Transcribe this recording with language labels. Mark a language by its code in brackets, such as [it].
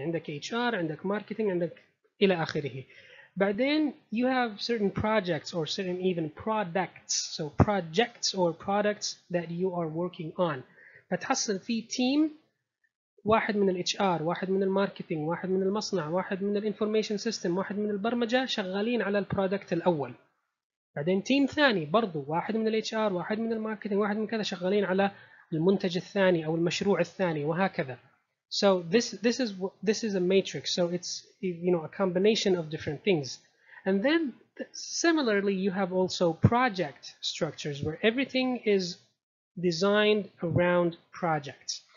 [ar] عندك HR, عندك marketing, عندك إلى آخره. [en] But then you have certain projects or certain even products. So projects or products that you are working on. [ar] فتحصل في team. واحد من الHR, واحد من الماركتينج, واحد من المصنع, واحد من الانفورميشن سيستم, واحد من البرمجة شغالين على البرودكت الأول. بعدين تيم ثاني برضو واحد من الHR, واحد من الماركتينج, واحد من كذا شغالين على المنتج الثاني أو المشروع الثاني وهكذا. [en] So this is a matrix. So it's you know a combination of different things. And then similarly you have also project structures where everything is designed around projects.